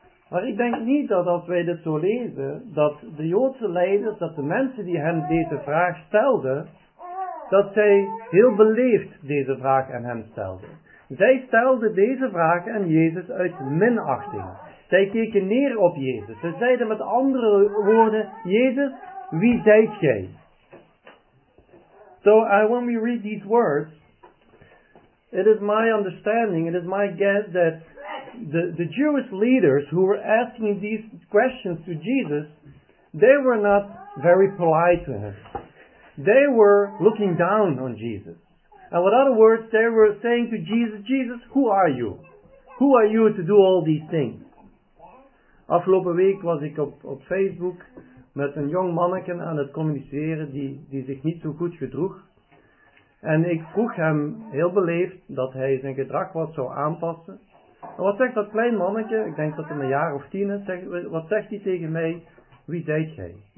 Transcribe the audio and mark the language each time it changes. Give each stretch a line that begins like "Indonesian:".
Dutch: Maar ik denk niet dat als wij dit zo lezen, dat de Joodse leiders, dat de mensen die hem deze vraag stelden, dat zij heel beleefd deze vraag aan hem stelden. Zij stelden deze vraag aan Jezus uit minachting. Zij keken neer op Jezus. Ze zeiden met andere woorden, Jezus, wie zijt gij?
English: So, when we read these words, it is my understanding, it is my guess that the Jewish leaders who were asking these questions to Jesus, they were not very polite to him. They were looking down on Jesus. And with other words, they were saying to Jesus, Jesus, who are you? Who are you to do all these things?
Dutch: Afgelopen week was ik op Facebook met een jong manneke aan het communiceren die zich niet zo goed gedroeg. En ik vroeg hem heel beleefd dat hij zijn gedrag wat zou aanpassen. En wat zegt dat klein mannetje, ik denk dat hij een jaar of 10 is, wat zegt hij tegen mij, wie zijt gij?